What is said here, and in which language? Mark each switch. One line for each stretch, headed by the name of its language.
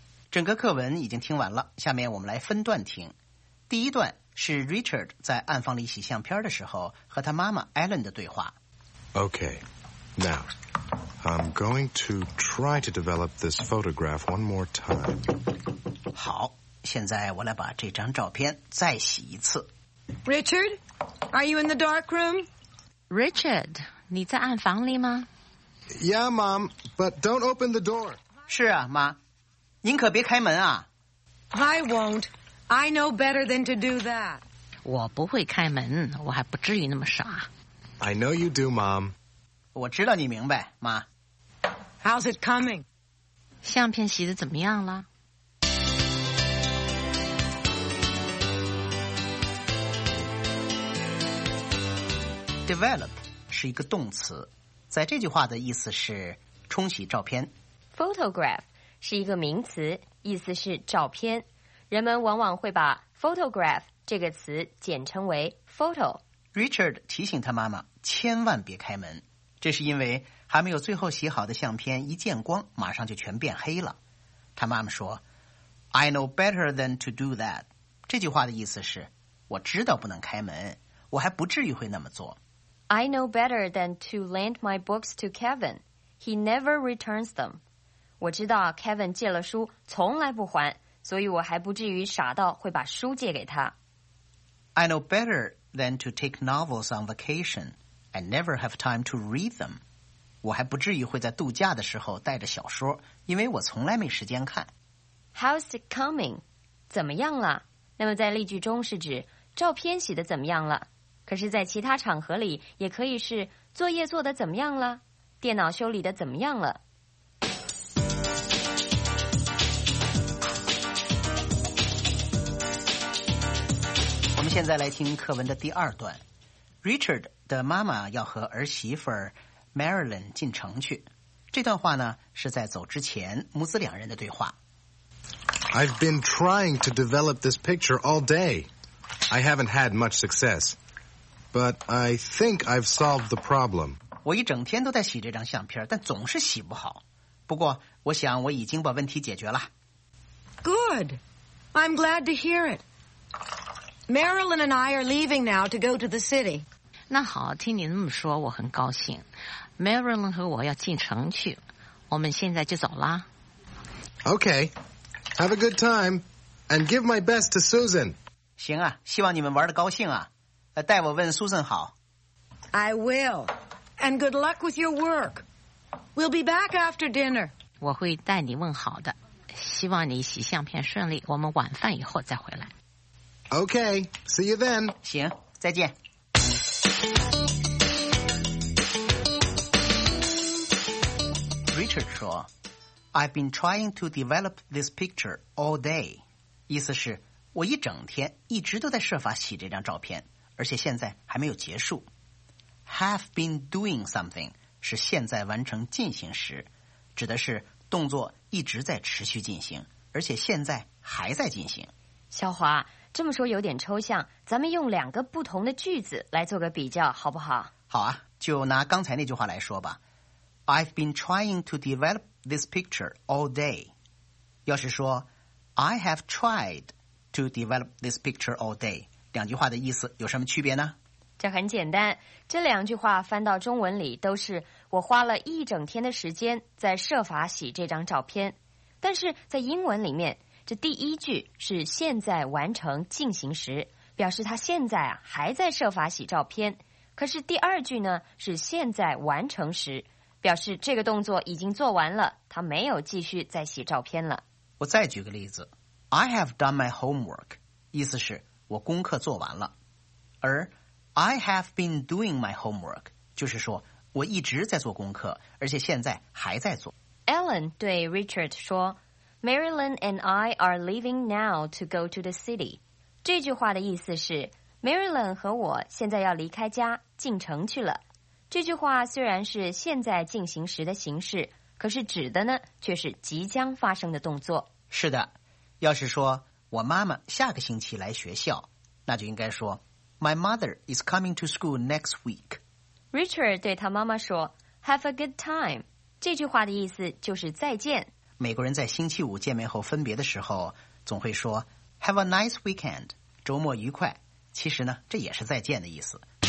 Chinese: 整个课文已经听完了，下面我们来分段听。第一段是 Richard 在暗房里洗相片的时候和他妈妈 Ellen 的对话。
English: Okay, now... I'm going to try to develop this photograph one more time.
Chinese: 好，现在我来把这张照片再洗一次。
English: Richard, are you in the dark room?
Chinese: Richard, 你在暗房里吗？
English: Yeah, Mom, but don't open the door.
Chinese: 是啊，妈，您可别开门啊。
English: I won't. I know better than to do that.
Chinese: 我不会开门，我还不至于那么傻。
English: I know you do, Mom.
Chinese: 我知道你明白，妈。
English: How's it coming?
Chinese: 相片洗得怎么样了？ Develop 是一个动词，在这句话的意思是冲洗照片。 Photograph 是一个名词，意思是照片。人们往往会把 photograph 这个词简称为 photo。 Richard 提醒他妈妈千万别开门，这是因为还没有最后洗好的相片一见光，马上就全变黑了。他妈妈说
English: ：“I know better than to do that。”
Chinese: 这句话的意思是，我知道不能开门。我还不至于会那么做。
English: I know better than to lend my books to Kevin. He never returns them.
Chinese: 我知道 Kevin 借了书从来不还，所以我还不至于傻到会把书借给他。
English: I know better than to take novels on vacation. I never have time to read them.
Chinese: 我还不至于会在度假的时候带着小说，因为我从来没时间看。
English: How's it coming?
Chinese: 怎么样了？那么在例句中是指照片洗得怎么样了？可是在其他场合里也可以是作业做得怎么样了？电脑修理得怎么样了？我们现在来听课文的第二段。Richard 的妈妈要和儿媳妇 Marilyn 进城去，这段话呢是在走之前母子两人的对话。
English: I've been trying to develop this picture all dayI haven't had much success, but I think I've solved the problem.
Chinese: 我一整天都在洗这张相片，但总是洗不好。不过，我想我已经把问题解决了。
English: Good. I'm glad to hear it. Marilyn and I are leaving now to go to the city.
Chinese: 那好，听你那么说，我很高兴。Marilyn 和我要进城去，我们现在就走啦。
English: Okay. Have a good time, and give my best to Susan.
Chinese: 行啊，希望你们玩得高兴啊。代我问苏珊好。
English: I will. And good luck with your work. We'll be back after dinner.
Chinese: 我会代你问好的。希望你洗相片顺利，我们晚饭以后再回来。
English: Okay, see you then.
Chinese: 行，再见。
English: Richard 说 I've been trying to develop this picture all day.
Chinese: 意思是我一整天一直都在设法洗这张照片，而且现在还没有结束。
English: Have been doing something
Chinese: 是现在完成进行时，指的是动作一直在持续进行，而且现在还在进行。小华，这么说有点抽象，咱们用两个不同的句子来做个比较好不好？好啊，就拿刚才那句话来说吧。
English: I've been trying to develop this picture all day.
Chinese: 要是说
English: I have triedTo develop this picture all day.
Chinese: 两句话的意思有什么区别呢？这很简单，这两句话翻到中文里都是我花了一整天的时间在设法洗这张照片。但是在英文里面，这第一句是现在完成进行时，表示他现在啊还在设法洗照片。可是第二句呢是现在完成时，表示这个动作已经做完了，他没有继续再洗照片了。我再举个例子。
English: I have done my homework,
Chinese: 意思是我功课做完了。而
English: I have been doing my homework,
Chinese: 就是说我一直在做功课，而且现在还在做。
English: Ellen 对 Richard 说 Marilyn and I are leaving now to go to the city.
Chinese: 这句话的意思是 Marilyn 和我现在要离开家进城去了。这句话虽然是现在进行时的形式，可是指的呢却是即将发生的动作。是的。要是说我妈妈下个星期来学校，那就应该说
English: My mother is coming to school next week.
Chinese: Richard 对他妈妈说
English: Have a good time.
Chinese: 这句话的意思就是再见。美国人在星期五见面后分别的时候总会说
English: Have a nice weekend.
Chinese: 周末愉快。其实呢这也是再见的意思。